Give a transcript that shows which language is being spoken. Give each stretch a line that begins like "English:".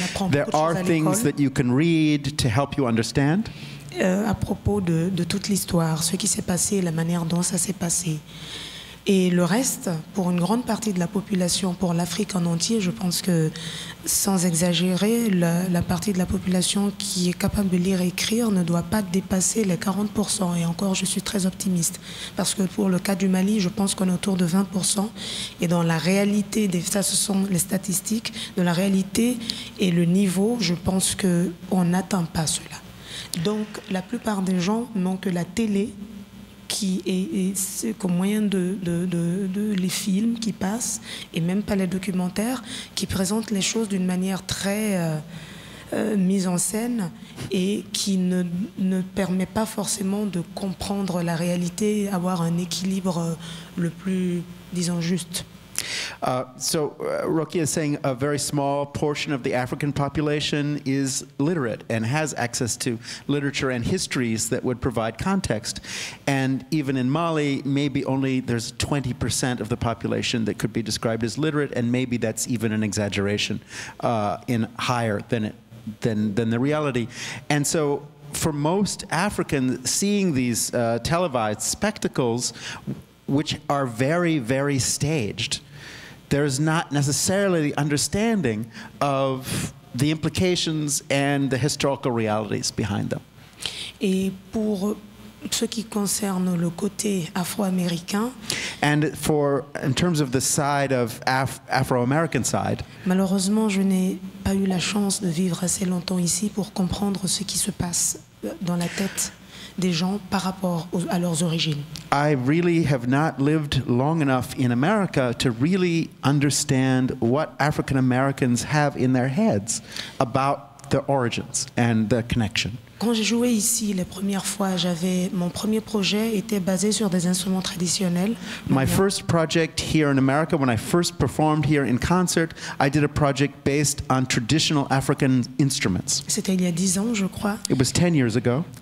English: There are things that you can read to help you understand.
French: À propos de toute l'histoire, ce qui s'est passé, la manière dont ça s'est passé. Et le reste, pour une grande partie de la population, pour l'Afrique en entier, je pense que, sans exagérer, la partie de la population qui est capable de lire et écrire ne doit pas dépasser les 40%. Et encore, je suis très optimiste. Parce que pour le cas du Mali, je pense qu'on est autour de 20%. Et dans la réalité, ça ce sont les statistiques, dans la réalité et le niveau, je pense qu'on n'atteint pas cela. Donc, la plupart des gens n'ont que la télé, qui est comme moyen de les films qui passent, et même pas les documentaires, qui présentent les choses d'une manière très mise en scène et qui ne permet pas forcément de comprendre la réalité, avoir un équilibre le plus, disons, juste.
English: So Rokia is saying a very small portion of the African population is literate and has access to literature and histories that would provide context. And even in Mali, maybe only there's 20% of the population that could be described as literate, and maybe that's even an exaggeration in higher than the reality. And so for most Africans, seeing these televised spectacles, which are very, very staged, there is not necessarily the understanding of the implications and the historical realities behind them.
French: Et pour ce qui concerne le côté afro-américain,
English: and for in terms of the side of Afro-American side,
French: malheureusement, je n'ai pas eu la chance de vivre assez longtemps ici pour comprendre ce qui se passe dans la tête des gens par rapport à leurs origines.
English: I really have not lived long enough in America to really understand what African Americans have in their heads about their origins and their connection.
French: Quand j'ai joué ici les premières fois, j'avais mon premier projet était basé sur des instruments traditionnels.
English: My first project here in America, when I first performed here in concert, I did a project based on traditional African instruments.
French: C'était il y a 10 ans, je crois.
English: It was 10 years ago.